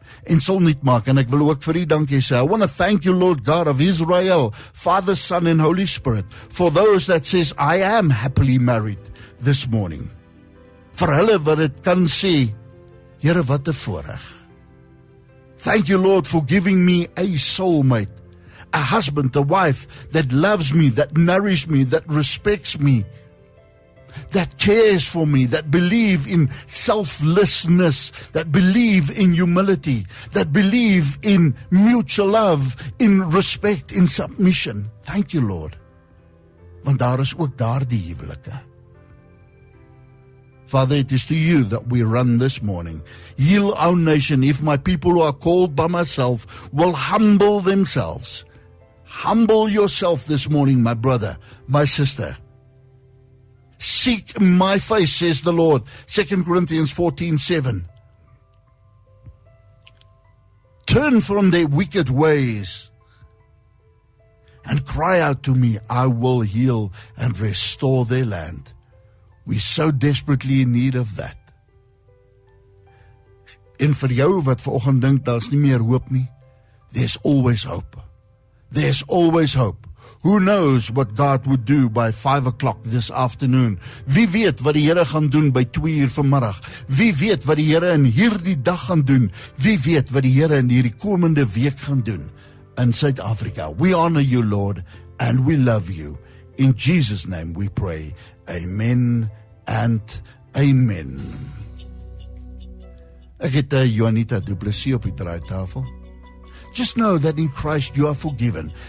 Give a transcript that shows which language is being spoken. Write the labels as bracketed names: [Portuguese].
[Afrikaans] En sal niet maak, en ek wil ook vir u dankie sê. [English] I want to thank you, Lord God of Israel, Father, Son, and Holy Spirit, for those that says, I am happily married this morning. [Afrikaans] Vir hulle wat het kan sê, Here, wat te voorreg. [English] Thank you, Lord, for giving me a soulmate, a husband, a wife that loves me, that nourishes me, that respects me, that cares for me, that believe in selflessness, that believe in humility, that believe in mutual love, in respect, in submission. Thank you, Lord. [Afrikaans] Want daar is ook daar die huwelike. [English] Father, it is to you that we run this morning. Heal our nation if my people who are called by myself will humble themselves. Humble yourself this morning, my brother, my sister. Seek my face, says the Lord. 2 Corinthians 14, 7. Turn from their wicked ways and cry out to me. I will heal and restore their land. We so desperately in need of that. [Afrikaans] En vir jou wat vanoggend dink, daar's nie meer hoop nie. [English] There's always hope. There's always hope. Who knows what God would do by 5 o'clock this afternoon? [Afrikaans] Wie weet wat die Here gaan doen by 2 uur vanmiddag? Wie weet wat die Here in hierdie dag gaan doen? Wie weet wat die Here in hierdie komende week gaan doen in Suid-Afrika? [English] We honor you, Lord, and we love you. In Jesus' name we pray. Amen and amen. [Afrikaans] Ek het Joanita Duplessis op die draaitafel. [English] Just know that in Christ you are forgiven.